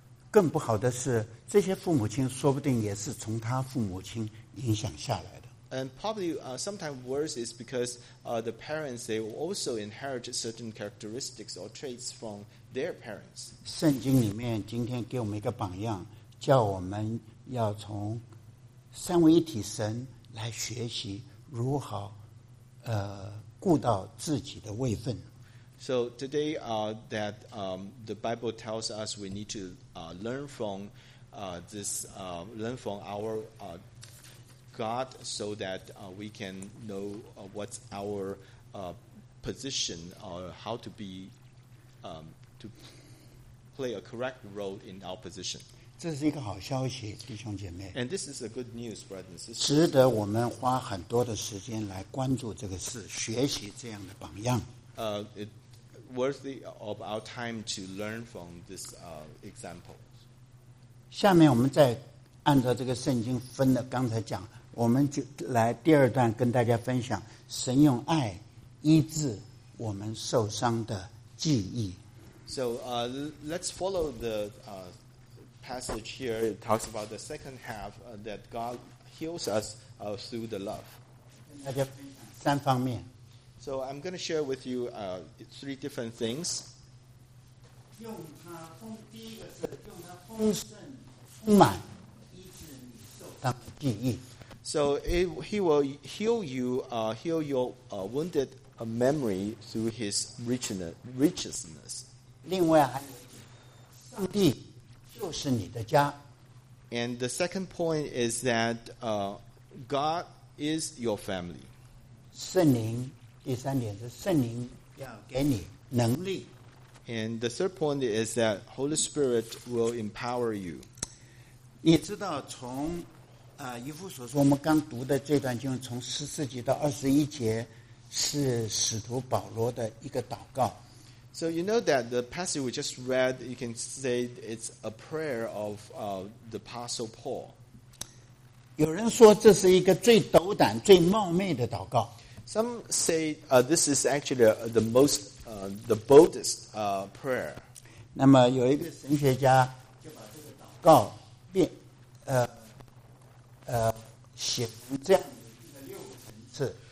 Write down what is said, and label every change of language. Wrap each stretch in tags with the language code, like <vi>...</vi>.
<zh>更不好的是这些父母亲说不定也是从他父母亲影响下来的。</zh> <en>And probably sometimes worse is because the parents, they also inherit certain characteristics or traits from their parents.</en> <zh>圣经里面今天给我们一个榜样，叫我们要从三位一体神来学习如何顾到自己的位分。</zh> <en>So today the Bible tells us we need to learn from our God so that we can know what's our position or how to be to play a correct role in our position.</en> <zh>这是一个好消息，弟兄姐妹。</zh> <en>And this is a good news, brothers and sisters.</en> <zh>值得我们花很多的时间来关注这个事，学习这样的榜样。</zh> <en>It's worthy of our time to learn from this example.</en> <zh>下面我们再按照这个圣经分的，刚才讲，我们就来第二段跟大家分享，神用爱医治我们受伤的记忆。</zh> <en>So let's follow the passage here. It talks about the second half that God heals us through the love.</en> <zh>那就三方面。</zh> <en>So I'm going to share with you three different things.</en> <zh>用它丰，第一个是用它丰盛丰满，医治你受伤的记忆。</zh> <en>So he will heal you, heal your wounded memory through his richness.</en> <zh>另外还有上帝。就是你的家。</zh> <en>And the second point is that God is your family.</en> <zh>圣灵，第三点是圣灵要给你能力。</zh> <en>And the third point is that Holy Spirit will empower you.</en> <zh>你知道从以弗所说我们刚读的这段经文，从十四节到二十一节是使徒保罗的一个祷告。</zh> <en>So you know that the passage we just read, you can say it's a prayer of the Apostle Paul.</en> <zh>有人说这是一个最斗胆、最冒昧的祷告。</zh> <en>Some say this is actually the most the boldest prayer.</en> <zh>那么有一个神学家就把这个祷告变写成这样的六层次。</zh>